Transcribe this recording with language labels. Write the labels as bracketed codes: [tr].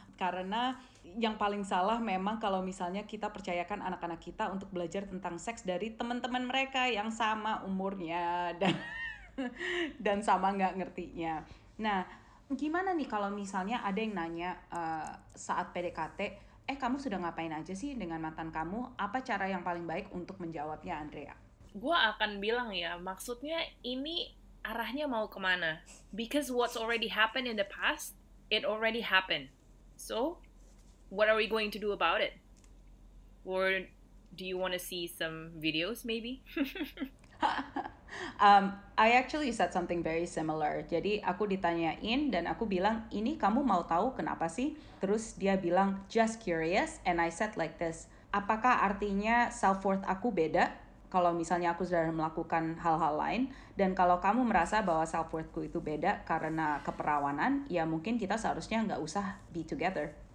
[id] Karena yang paling salah memang kalau misalnya kita percayakan anak-anak kita untuk belajar tentang seks dari teman-teman mereka yang sama umurnya dan sama nggak ngertinya. Nah, gimana nih kalau misalnya ada yang nanya saat PDKT, eh kamu sudah ngapain aja sih dengan mantan kamu? Apa cara yang paling baik untuk menjawabnya, Andrea? Gua akan bilang ya, maksudnya ini arahnya mau kemana? [en] Because what's already happened in the past, it already happened. So, what are we going to do about it? Or do you want to see some videos maybe? I actually said something very similar. [id] Jadi aku ditanyain dan aku bilang, ini kamu mau tahu kenapa sih? Terus dia bilang, [en] just curious. And I said like this, [id] apakah artinya self-worth aku beda kalau misalnya aku sudah melakukan hal-hal lain? Dan kalau kamu merasa bahwa self-worthku itu beda karena keperawanan, ya mungkin kita seharusnya nggak usah [en] be together.